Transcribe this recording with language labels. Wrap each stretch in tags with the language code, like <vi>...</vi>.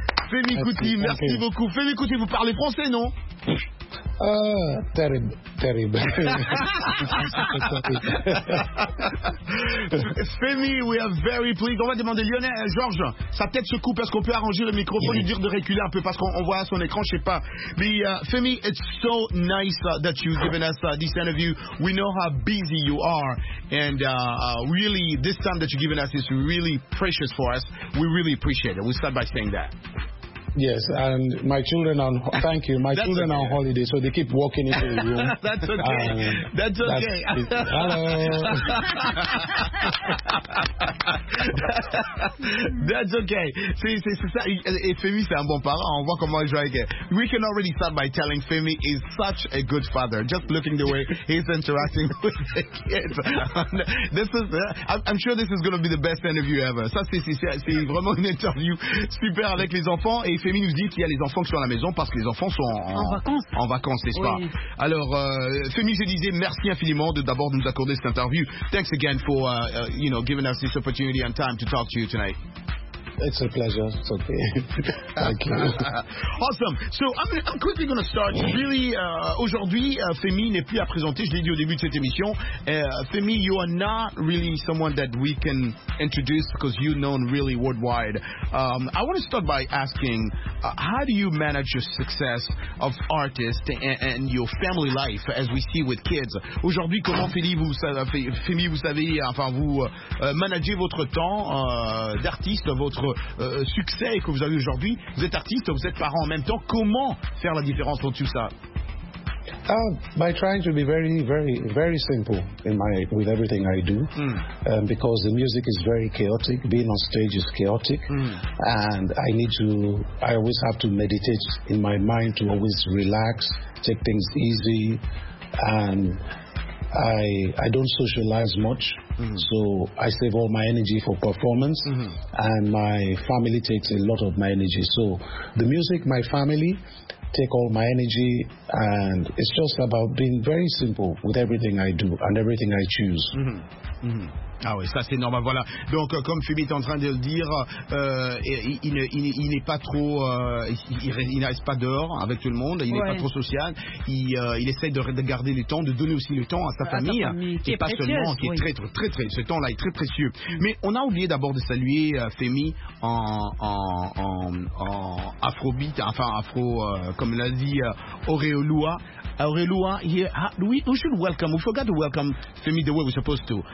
<fr>Femi Koti, merci beaucoup. Femi Koti, vous parlez français, non? Ah, terrible.</fr> <en>Femi, we are very pleased.</en> <fr>On va demander Lionel, Georges, sa tête se coupe, est-ce qu'on peut arranger le microphone, lui dire de reculer un peu parce qu'on voit son écran, je sais pas.</fr> <en>Mais Femi, it's so nice that you've given us this interview. We know how busy you are and really this time that you've given us is really precious for us. We really appreciate it. We'll start by saying that. Yes, and my children on. Thank you. My children okay. On holiday, so they keep walking into the room. That's okay. That's okay. Hello. That's okay. See, Femi is a good parent.</en> <fr>On voit comment il joue avec elle.</fr> <en>We can already start by telling Femi is such a good father. Just looking the way he's interacting with the kids. I'm sure this is going to be the best interview ever.</en> <fr>Ça, c'est vraiment une interview super avec les enfants. Et Femi nous dit qu'il y a les enfants qui sont à la maison parce que les enfants sont en vacances, n'est-ce pas? Alors, Femi, je disais merci infiniment d'abord de nous accorder cette interview.</fr> <en>Thanks again for giving us this opportunity and time to talk to you tonight. It's a pleasure. It's okay. Thank you. Awesome. So I'm quickly going to start. Really,</en> <fr>aujourd'hui, Femi n'est plus à présenter. Je l'ai dit au début de cette émission.</fr> <en>Femi, you are not really someone that we can introduce because you're known really worldwide. I want to start by asking, how do you manage your success of artists and your family life as we see with kids? Aujourd'hui, comment vous managez votre temps d'artiste, votre succès que vous avez aujourd'hui, vous êtes artiste, vous êtes parent en même temps, comment faire la différence entre tout ça? By trying to be very, very, very simple with everything I do, because the music is very chaotic, being on stage is chaotic, and I always have to meditate in my mind to always relax, take things easy, and I don't socialize much. Mm-hmm. So I save all my energy for performance, and my family takes a lot of my energy. So the music, my family take all my energy, and it's just about being very simple with everything I do and everything I choose.</en> <fr>Mm-hmm. Mm-hmm. Ah oui, ça c'est normal, voilà. Donc, comme Femi est en train de le dire, il n'est pas trop... il ne reste pas dehors avec tout le monde, il n'est pas trop social. Il essaie de garder le temps, de donner aussi le temps à sa famille. Qui est pas précieuse, seulement, oui. Qui est très, très, très, très... Ce temps-là est très précieux. Mais on a oublié d'abord de saluer Femi en afrobeat, enfin afro, comme l'a dit Auréloua.</fr> <en>Auréloua, we should welcome, we forgot to welcome Femi the way we're supposed to.</en>